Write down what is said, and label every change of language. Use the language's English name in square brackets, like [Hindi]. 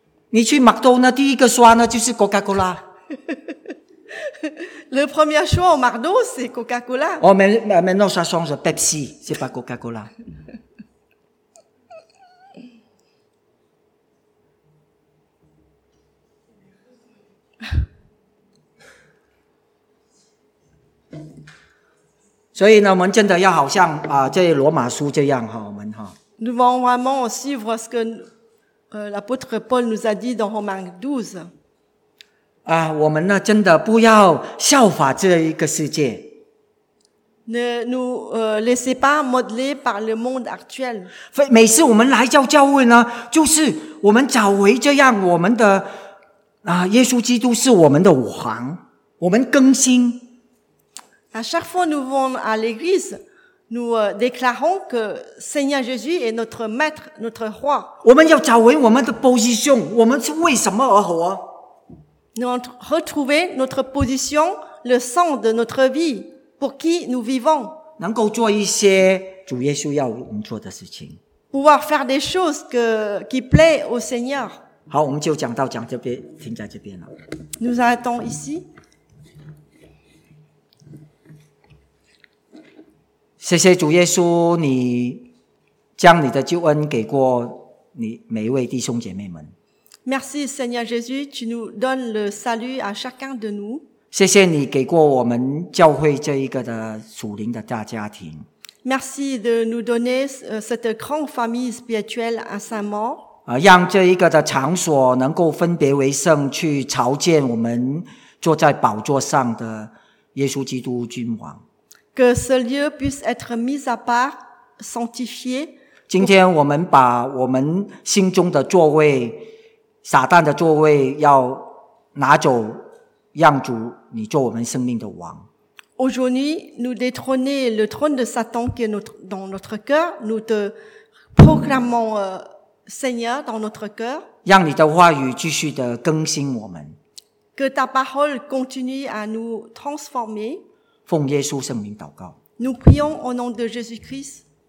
[Chinese] 你去麦当娜第一个刷呢就是 Coca-Cola。 [French] Le premier choix au McDo c'est Coca-Cola. Oh, maintenant ça change Pepsi, c'est pas Coca-Cola. [Chinese] 所以呢，我们真的要好像这罗马书这样哈，我们哈。 [French] Nous devons vraiment suivre ce que l'apôtre Paul nous a dit dans Romains 12. [Chinese] 我们呢，真的不要效法这一个世界。 [French] Ne nous laissez pas modeler par le monde actuel. [Chinese] 每次我们来到教会呢，就是我们找回这样我们的耶稣基督是我们的王，我们更新。 [French] À chaque fois nous vont à l'église, nous déclarons que Seigneur Jésus est notre maître, notre roi. [Chinese] 我们要找回我们的 position, 我们是为什么而活？ [French] Nous retrouver notre position, le sens de notre vie, pour qui nous vivons. [Chinese] 能够做一些主耶稣要我们做的事情。 [French] Pouvoir faire des choses qui plaît au Seigneur. [Chinese] 好，我们就讲这边，停在这边了。 [French] Nous arrêtons ici. [Chinese] 谢谢主耶稣，你将你的救恩给过你每一位弟兄姐妹们。 [French] Merci Seigneur Jésus, tu nous donnes le salut à chacun de nous. [Chinese] 谢谢你给过我们教会这一个的属灵的大家庭。 [French] Merci de nous donner cette grande famille spirituelle à Saint-Maur. [Chinese] 让这一个的场所能够分别为圣，去朝见我们坐在宝座上的耶稣基督君王。 [French] Que ce lieu puisse être mis à part, sanctifié. [Chinese] 今天我们把我们心中的座位撒旦的座位要拿走，让主你做我们生命的王。 [French] Aujourd'hui, nous détrôner le trône de Satan qui est notre, dans notre cœur, nous te proclamons Seigneur dans notre cœur. [Chinese] 让你的话语继续的更新我们。 [French] Que ta parole continue à nous transformer. [Chinese] 奉耶稣圣名祷告。 [French] Nous prions au nom de Jésus-Christ.